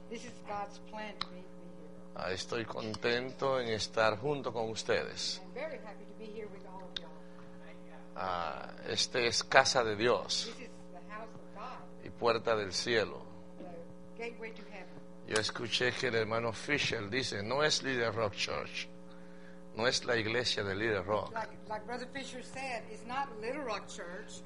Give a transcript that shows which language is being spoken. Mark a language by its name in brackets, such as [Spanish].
[English] This is God's plan to make me here. [Spanish] Estoy contento en estar junto con ustedes. [English] I'm very happy to be here with all of y'all. [Spanish] Este es casa de Dios. [English] This is the house of God. [Spanish] Y puerta del cielo. [English] The gateway to heaven. [Spanish] Yo escuché que el hermano Fisher dice, no es Little Rock Church. No es la iglesia de Little Rock. [English] Like Brother Fisher said, it's not Little Rock Church.